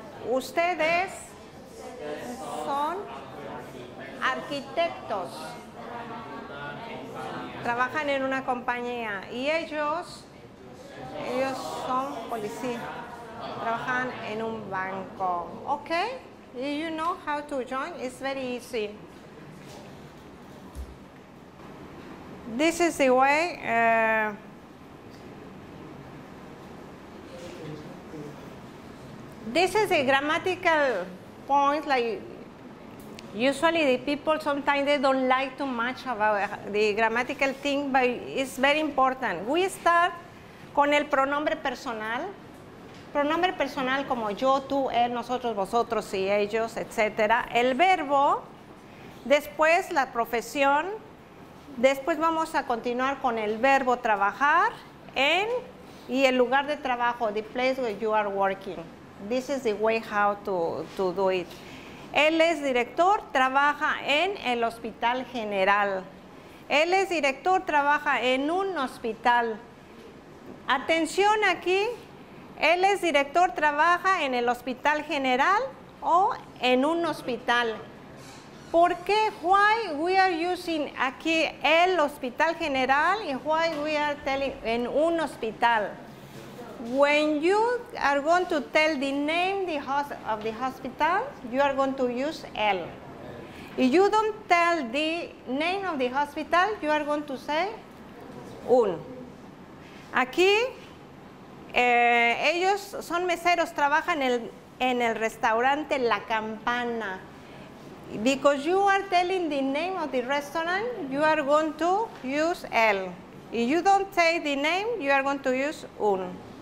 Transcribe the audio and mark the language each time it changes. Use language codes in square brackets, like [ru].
[es] Ustedes son arquitectos, trabajan en una compañía, y ellos son policías, trabajan en un banco. [en] Okay, you know how to join, it's very easy. This is the way. This is a grammatical point. Like usually, the people sometimes they don't like too much about the grammatical thing, but it's very important. We start [es] con el pronombre personal. Pronombre personal como yo, tú, él, nosotros, vosotros y ellos, etc. El verbo. Después la profesión. Después vamos a continuar con el verbo trabajar en y el lugar de trabajo, [en] the place where you are working. This is the way how to do it. [es] Él es director, trabaja en el hospital general. Él es director, trabaja en un hospital. Atención aquí, él es director, trabaja en el hospital general o en un hospital. ¿Por qué? [en] Why we are using [es] aquí el hospital general y [en] why we are telling [es] en un hospital. [en] When you are going to tell the name of the hospital, you are going to use el. If you don't tell the name of the hospital, you are going to say un. [es] Aquí, ellos son meseros, trabajan en el restaurante La Campana. [en] Because you are telling the name of the restaurant, you are going to use el. If you don't say the name, you are going to use un.